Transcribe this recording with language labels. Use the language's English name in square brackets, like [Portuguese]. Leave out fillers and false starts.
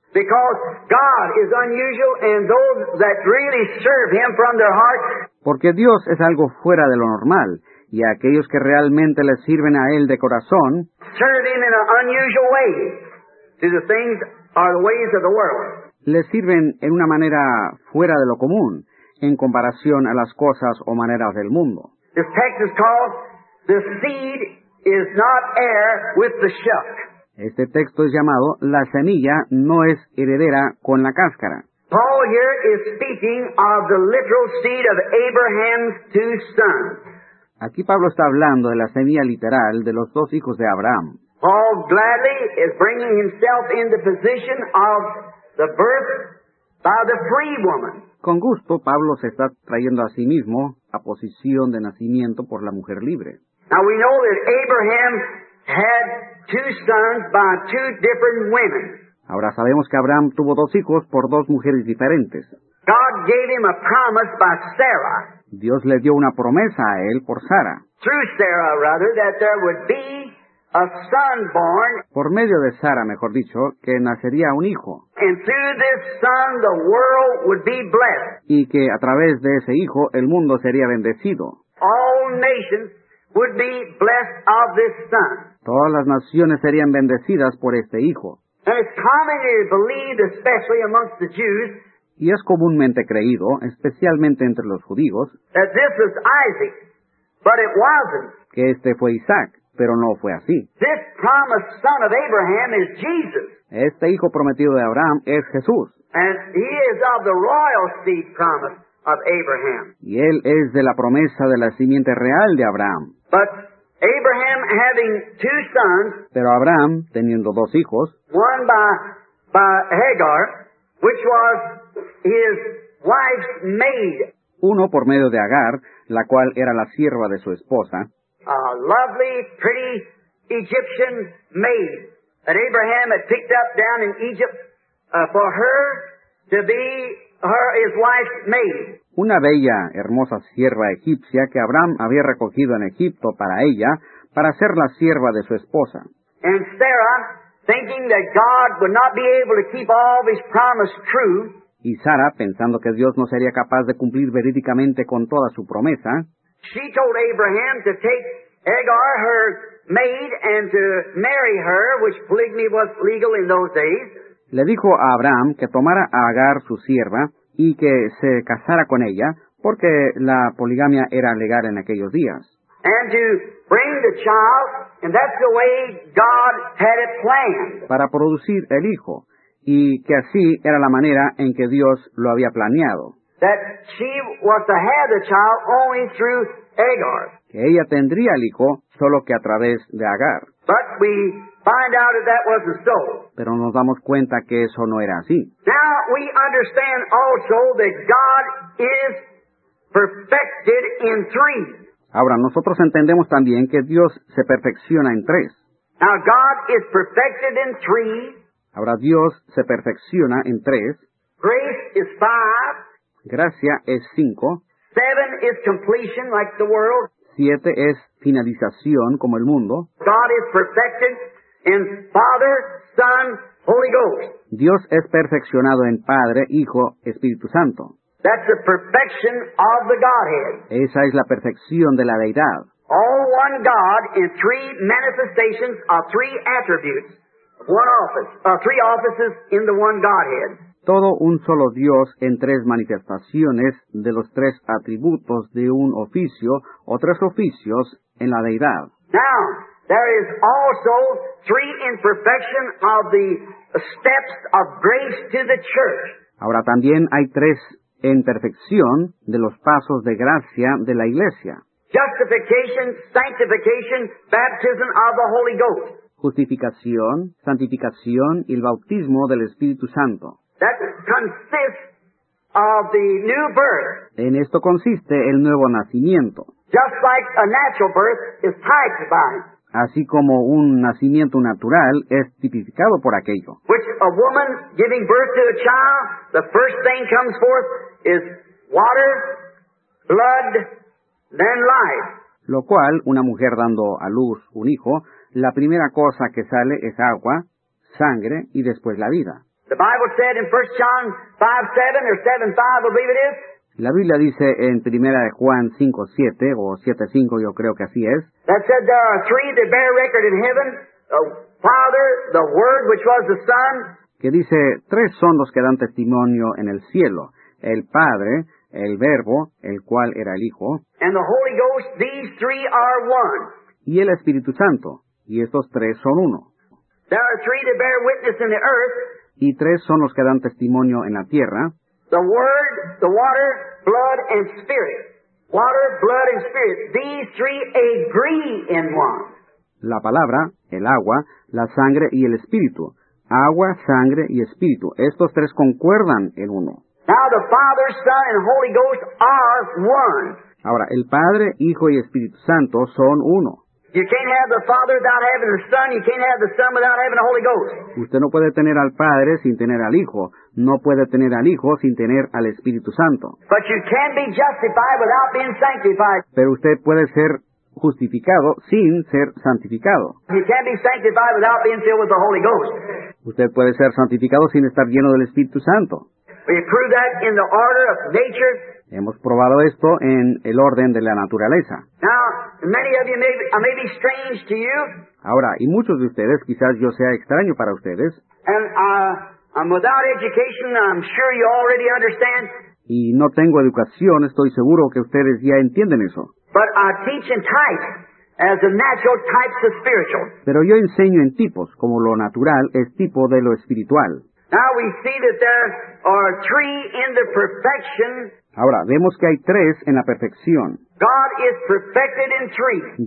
[English] Because God is unusual, and those that really serve Him from their hearts. [Spanish] Porque Dios es algo fuera de lo normal, y aquellos que realmente le sirven a Él de corazón. [English] Serve Him in an unusual way. To the things are the ways of the world. [Spanish] Le sirven en una manera fuera de lo común, en comparación a las cosas o maneras del mundo. [English] This text is called "The Seed Is Not Heir with the Shuck." [Spanish] Este texto es llamado La semilla no es heredera con la cáscara. [English] Paul here is speaking of the literal seed of Abraham's two sons. [Spanish] Aquí Pablo está hablando de la semilla literal de los dos hijos de Abraham. [English] Paul gladly is bringing himself in the position of the birth by the free woman. [Spanish] Con gusto Pablo se está trayendo a sí mismo a posición de nacimiento por la mujer libre. [English] Now we know that Abraham had two sons by two different women. [Spanish] Ahora sabemos que Abraham tuvo dos hijos por dos mujeres diferentes. [English] God gave him a promise by Sarah. [Spanish] Dios le dio una promesa a él por Sara. [English] Through Sarah, rather, that there would be a son born. [Spanish] Por medio de Sara, mejor dicho, que nacería un hijo. [English] And through this son, the world would be blessed. [Spanish] Y que a través de ese hijo, el mundo sería bendecido. [English] All nations would be blessed of this son. [Spanish] Todas las naciones serían bendecidas por este hijo. [English] And it's commonly believed, especially amongst the Jews, [Spanish] y es comúnmente creído, especialmente entre los judíos, [English] that this was Isaac, but it wasn't. [Spanish] Que este fue Isaac, pero no fue así. [English] This promised son of Abraham is Jesus. [Spanish] Este hijo prometido de Abraham es Jesús. [English] And he is of the royal seed promise of Abraham. [Spanish] Y él es de la promesa de la simiente real de Abraham. [English] But Abraham having two sons, [Spanish] pero Abraham teniendo dos hijos, [English] one by Hagar, which was his wife's maid. [Spanish] Uno por medio de Agar, la cual era la sierva de su esposa. [English] A lovely, pretty Egyptian maid that Abraham had picked up down in Egypt for her to be his wife's maid. [Spanish] Una bella, hermosa sierva egipcia que Abraham había recogido en Egipto para ella, para ser la sierva de su esposa. [English] And Sarah, thinking that God would not be able to keep all of his promise true, [Spanish] y Sara, pensando que Dios no sería capaz de cumplir verídicamente con toda su promesa, [English] she told Abraham to take Hagar, her maid, and to marry her, which polygamy was legal in those days. [Spanish] Le dijo a Abraham que tomara a Agar, su sierva, y que se casara con ella, porque la poligamia era legal en aquellos días. [English] And to bring the child, and that's the way God had it planned. [Spanish] Para producir el hijo. Y que así era la manera en que Dios lo había planeado. [English] That she was to have the child only through Agar. [Spanish] Que ella tendría el hijo solo que a través de Agar. [English] But we find out that that wasn't so. [Spanish] Pero nos damos cuenta que eso no era así. [English] Now we understand also that God is perfected in three. [Spanish] Ahora nosotros entendemos también que Dios se perfecciona en tres. [English] Now God is perfected in three. [Spanish] Ahora Dios se perfecciona en tres. [English] Grace is five. [Spanish] Gracia es cinco. [English] Seven is completion, like the world. [Spanish] Siete es finalización, como el mundo. [English] God is perfected in Father, Son, Holy Ghost. [Spanish] Dios es perfeccionado en Padre, Hijo, Espíritu Santo. [English] That's the perfection of the Godhead. [Spanish] Esa es la perfección de la Deidad. [English] All one God in three manifestations of three attributes. Three offices in the one Godhead. [Spanish] Todo un solo Dios en tres manifestaciones de los tres atributos de un oficio o tres oficios en la Deidad. [English] Now, there is also three in perfection of the steps of grace to the church. [Spanish] Ahora también hay tres en perfección de los pasos de gracia de la Iglesia. [English] Justification, sanctification, baptism of the Holy Ghost. [Spanish] Justificación, santificación y el bautismo del Espíritu Santo. [English] That consists of the new birth. [Spanish] En esto consiste el nuevo nacimiento. [English] Just like a natural birth is tied to by. [Spanish] Así como un nacimiento natural es tipificado por aquello. [English] Which a woman giving birth to a child, the first thing comes forth is water, blood, then life. [Spanish] Lo cual, una mujer dando a luz un hijo, la primera cosa que sale es agua, sangre y después la vida. [English] The Bible said in 1 John 5:7 or 7:5, I believe it is. [Spanish] La Biblia dice en 1 Juan 5:7 o 7:5, yo creo que así es. [English] That said there are three that bear record in heaven, the Father, the Word, which was the Son. [Spanish] Que dice, tres son los que dan testimonio en el cielo, el Padre, el Verbo, el cual era el Hijo. [English] And the Holy Ghost, these three are one. [Spanish] Y el Espíritu Santo, y estos tres son uno. [English] There are three that bear witness in the earth. [Spanish] Y tres son los que dan testimonio en la tierra. [English] The Word, the water, blood, and spirit. Water, blood, and spirit. These three agree in one. [Spanish] La palabra, el agua, la sangre y el espíritu. Agua, sangre y espíritu. Estos tres concuerdan en uno. [English] Now the Father, Son, and Holy Ghost are one. [Spanish] Ahora, el Padre, Hijo y Espíritu Santo son uno. [English] You can't have the Father without having the Son. You can't have the Son without having the Holy Ghost. [Spanish] Usted no puede tener al Padre sin tener al Hijo. No puede tener al Hijo sin tener al Espíritu Santo. [English] But you can't be justified without being sanctified. [Spanish] Pero usted puede ser justificado sin ser santificado. [English] You can't be sanctified without being filled with the Holy Ghost. [Spanish] Usted puede ser santificado sin estar lleno del Espíritu Santo. [English] We prove that in the order of nature. [Spanish] Hemos probado esto en el orden de la naturaleza. [English] Now, many of you may be strange to you. [Spanish] Ahora, y muchos de ustedes, quizás yo sea extraño para ustedes. [English] And I'm without education, I'm sure you already understand. [Spanish] Y no tengo educación, estoy seguro que ustedes ya entienden eso. [English] But I teach in type. as the natural types of spiritual. [Spanish] Pero yo enseño en tipos, como lo natural es tipo de lo espiritual. [English] Now we see that there are three in the perfection. [Spanish] Ahora, vemos que hay tres en la perfección. [English] God is perfected in three.